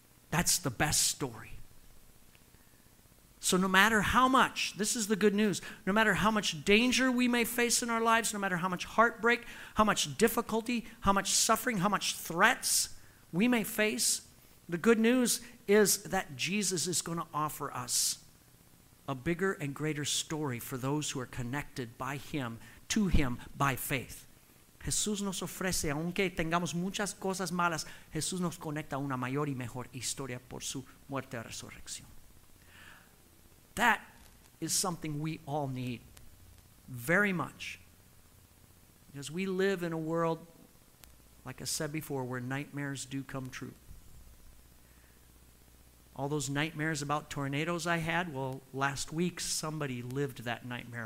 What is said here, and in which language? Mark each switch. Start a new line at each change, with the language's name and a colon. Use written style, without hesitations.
English: That's the best story. So no matter how much, this is the good news, no matter how much danger we may face in our lives, no matter how much heartbreak, how much difficulty, how much suffering, how much threats we may face, the good news is that Jesus is going to offer us a bigger and greater story for those who are connected by him, to him, by faith.
Spanish: Jesús nos ofrece, aunque tengamos muchas cosas malas, Jesús nos conecta a una mayor y mejor historia por su muerte y resurrección.
English: That is something we all need very much. Because we live in a world, like I said before, where nightmares do come true. All those nightmares about tornadoes I had, well, last week somebody lived that nightmare.